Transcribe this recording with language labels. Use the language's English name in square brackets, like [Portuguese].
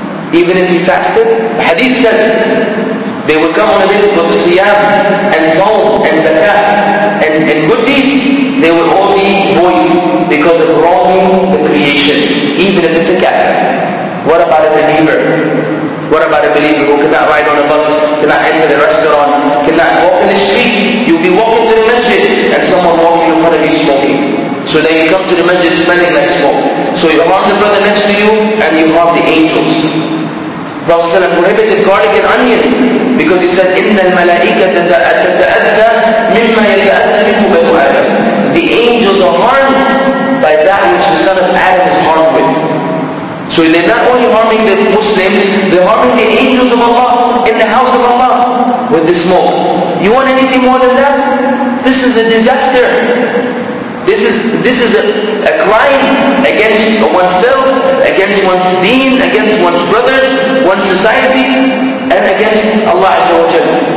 [English] Even if he fasted, the hadith says, they will come on a bit of siyam and sawm and zakat and good deeds, they will all be void because of wronging the creation, even if it's a cat. What about a believer? What about a believer who cannot ride on a bus, cannot enter a restaurant, cannot walk in the street? You'll be walking to the masjid and someone walking in front of you smoking. So then you come to the masjid smelling like smoke. So you harm the brother next to you and you harm the angels. Prophet ﷺ prohibited garlic and onion because he said, [Arabic] إِنَّ الْمَلَائِكَةَ تَتَأَذَّى مِمَّا يَتَأَذَّى مِنْهُ بَنُوا آدَمَ. [English] The angels are harmed by that which the son of Adam is harmed with. So they're not only harming the Muslims, they're harming the angels of Allah in the house of Allah with the smoke. You want anything more than that? This is a disaster. This is a crime against oneself, against one's deen, against one's brothers, one's society, and against Allah Azza wa Jalla.